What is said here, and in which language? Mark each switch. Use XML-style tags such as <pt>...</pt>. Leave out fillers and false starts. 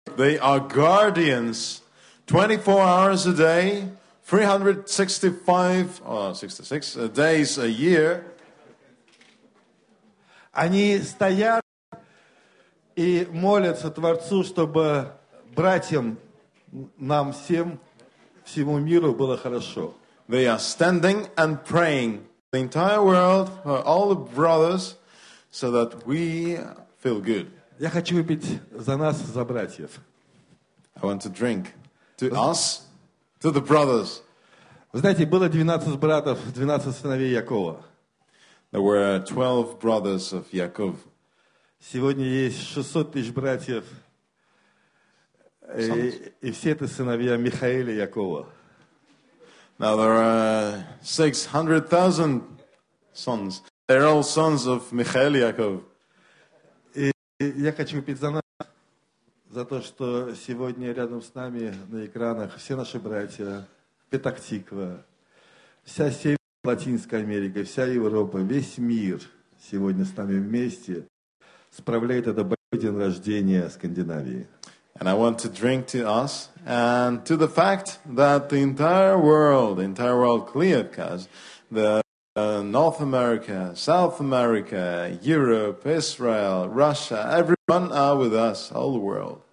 <en>They are guardians 24 hours a day, 365 days a year.</en> <ru>Они стоят и молятся Творцу, чтобы братьям нам всем, всему миру было хорошо.</ru> <en>They are standing and praying the entire world, for all the brothers, so that we feel good.</en> <ru>Я хочу выпить за нас, за братьев.</ru> <en>I want to drink to us, to the brothers.</en> <ru>Знаете, было 12 братьев, 12 сыновей Якова.</ru> <en>There were 12 brothers of Yaakov.</en> <ru>Сегодня есть 600 тысяч братьев, и все это сыновья Михаэля Якова.</ru> <en>Now there are 600,000 sons. They're all sons of Михаэль Яков.</en> <ru>И я хочу выпить за нас. За то, что сегодня рядом с нами на экранах все наши братья, Петах-Тиква, вся Северная, Латинская Америка, вся Европа, весь мир сегодня с нами вместе справляет это большой день рождения Скандинавии.</ru> <en>And I want to drink to us and to the fact that the entire world clear, because the North America, South America, Europe, Israel, Russia, everyone are with us, all the world.</en>